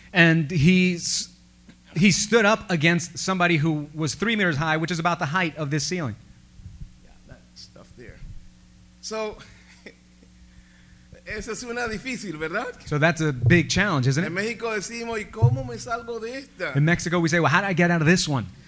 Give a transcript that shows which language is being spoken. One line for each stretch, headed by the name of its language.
English: And he stood up against somebody who was 3 meters high, which is about the height of this ceiling. Yeah, that stuff there.
Spanish: So esa es una difícil, ¿verdad?
English: So that's a big challenge, isn't it?
Spanish: En México decimos, ¿y cómo me salgo de esta?
English: In Mexico we say, well, how do I get out of this one?